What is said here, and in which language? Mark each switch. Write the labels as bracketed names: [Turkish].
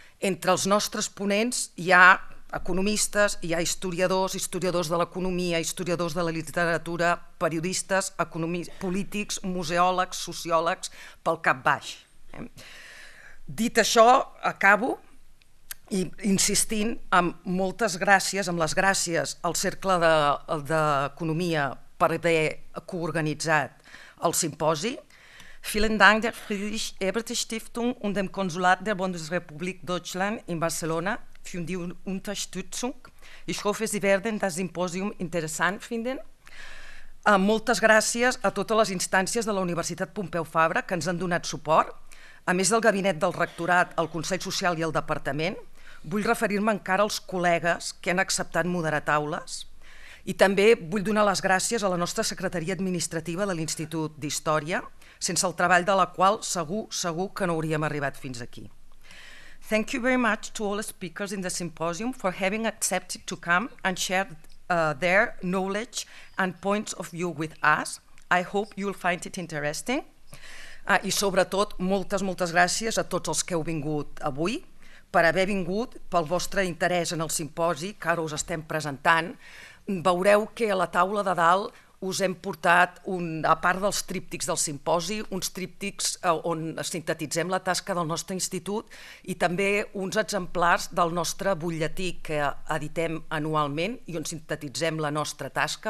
[Catalan] Entre els nostres ponents hi ha economistes, hi ha historiadors, historiadors de l'economia, historiadors de la literatura, periodistes, polítics, museòlegs, sociòlegs, pel cap baix. Dit això, acabo insistint en moltes gràcies, amb les gràcies al Cercle d'Economia per haver coorganitzat el simposi. [German] Vielen Dank der Friedrich Ebert Stiftung und dem Konsulat der Bundesrepublik Deutschland in Barcelona für die Unterstützung. Ich hoffe, Sie werden das Symposium interessant finden. [Catalan] Moltes gràcies a totes les instàncies de la Universitat Pompeu Fabra que ens han donat suport, a més del Gabinet del Rectorat, el Consell Social i el Departament. Vull referir-me encara als col·legues que han acceptat moderar taules i també vull donar les gràcies a la nostra secretaria administrativa de l'Institut d'Història, sense el treball de la qual segur que no hauríem arribat fins aquí. [English] Thank you very much to all speakers in the symposium for having accepted to come and share their knowledge and points of view with us. I hope you'll find it interesting. [Catalan] Ah, i sobretot, moltes gràcies a tots els que heu vingut avui per haver vingut, pel vostre interès en el simposi que ara us estem presentant. Veureu que a la taula de dalt us hem portat, a part dels tríptics del simposi, uns tríptics on sintetitzem la tasca del nostre institut i també uns exemplars del nostre butlletí que editem anualment i on sintetitzem la nostra tasca.